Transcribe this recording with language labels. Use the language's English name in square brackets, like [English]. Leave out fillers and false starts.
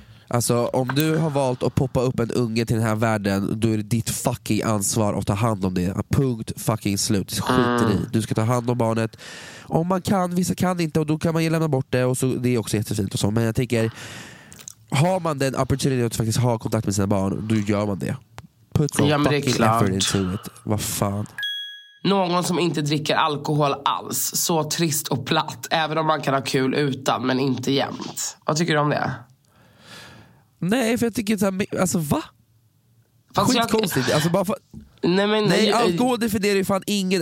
[Swedish] Alltså om du har valt att poppa upp en unge till den här världen, då är det ditt fucking ansvar att ta hand om det. Punkt fucking slut. Skit i. Du ska ta hand om barnet. Om man kan, vissa kan inte, och då kan man ju lämna bort det, och så det är också jättefint och så. Men jag tänker, har man den opportunity att faktiskt ha kontakt med sina barn, då gör man det. [English] Put some fucking effort into it. [Swedish] Vad fan. Någon som inte dricker alkohol alls, så trist och platt, även om man kan ha kul utan, men inte jämnt. Vad tycker du om det? Nej, för jag tycker såhär, alltså va? Skitkonstigt, alltså bara nej, alkohol definierar ju fan ingen.